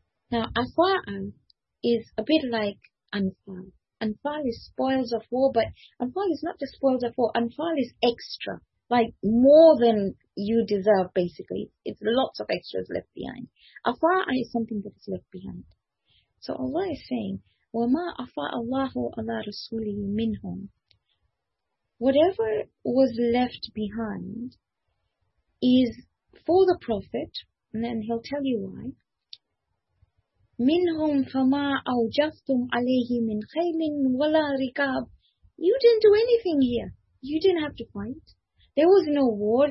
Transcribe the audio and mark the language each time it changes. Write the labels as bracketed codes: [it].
[en] Now, أَفَاءَ is a bit like أَنْفَاءَ. Anfal is spoils of war, but Anfal is not just spoils of war. Anfal is extra, like more than you deserve, basically. It's lots of extras left behind. Afa'a is something that is left behind. So Allah is saying, [ar] وَمَا أَفَاءَ اللَّهُ عَلَىٰ رَسُولِهِ مِنْهُمْ. [en] Whatever was left behind is for the Prophet, and then he'll tell you why. [ar] Minhum fama awjaftum alayhi min khaylin wala rikab. [en] You didn't do anything here. You didn't have to fight. There was no war.